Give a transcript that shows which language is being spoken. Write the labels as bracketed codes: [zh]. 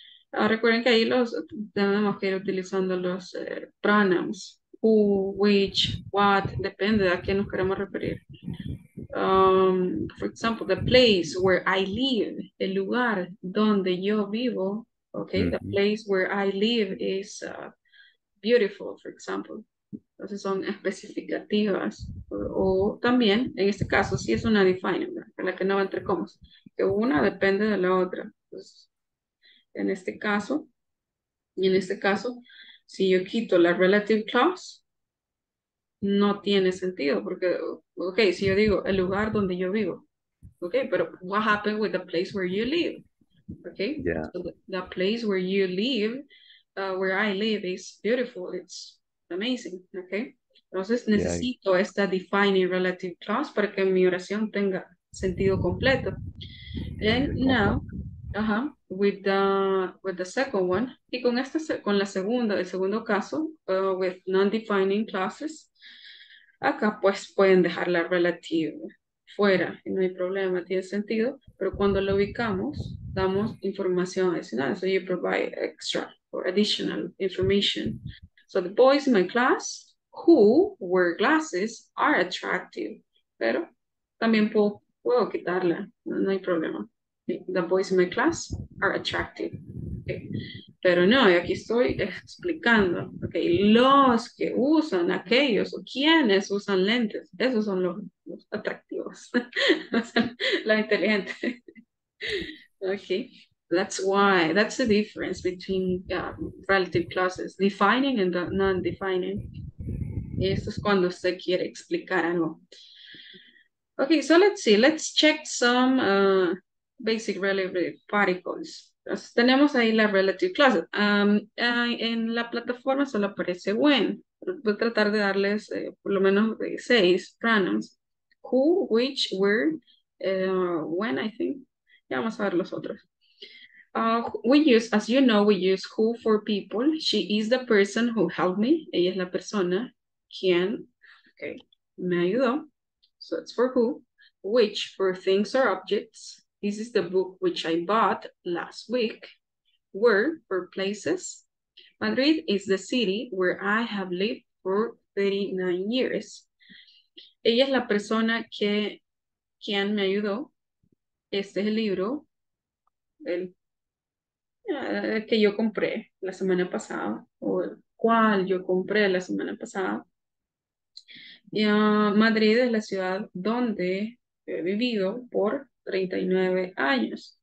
[es] Recuerden que ahí los tenemos que ir utilizando los pronouns, who, which, what, depende de a qué nos queremos referir. [en] For example, the place where I live, [es] el lugar donde yo vivo, [en] okay, mm-hmm. The place where I live is beautiful, for example. [es] Entonces son especificativas, o también, en este caso, sí es una defining, ¿verdad? La que no va entre comas, que una depende de la otra. Entonces, en este caso, si yo quito la relative clause, no tiene sentido, porque, okay, si yo digo el lugar donde yo vivo, okay, pero [en] what happened with the place where you live? [es] Okay, [en] yeah. So the place where you live, where I live is beautiful, it's amazing, okay? [es] Entonces necesito esta defining relative clause para que mi oración tenga sentido completo. [en] And now, with the second one, [es] y con esta, con la segunda, el segundo caso, [en] with non-defining clauses, [es] acá pues pueden dejar la relative fuera, no hay problema, tiene sentido, pero cuando lo ubicamos, damos información adicional, [en] so you provide extra or additional information. So the boys in my class who wear glasses are attractive, [es] pero también puedo quitarla, no hay problema. [en] The boys in my class are attractive. Okay. [es] Pero no, y aquí estoy explicando. Okay. Los que usan aquellos o quienes usan lentes, esos son los atractivos. La inteligente. Okay. [en] That's the difference between relative clauses, defining and non-defining. [es] Y esto es cuando usted quiere explicar algo. [en] Okay, so let's see. Let's check some basic relative particles. [es] Entonces, tenemos ahí la relative clause. En la plataforma solo aparece when. Voy a tratar de darles por lo menos 6 pronouns. Who, which, where, when, [en] I think. [es] Ya vamos a ver los otros. [en] We use who for people. She is the person who helped me. [es] Ella es la persona quien, okay, me ayudó. [en] So it's for who. Which for things or objects. This is the book which I bought last week. Where for places. Madrid is the city where I have lived for 39 years. [es] Ella es la persona que quien me ayudó. Este es el libro. Que yo compré la semana pasada, o el cual yo compré la semana pasada. Y, Madrid es la ciudad donde he vivido por 39 años.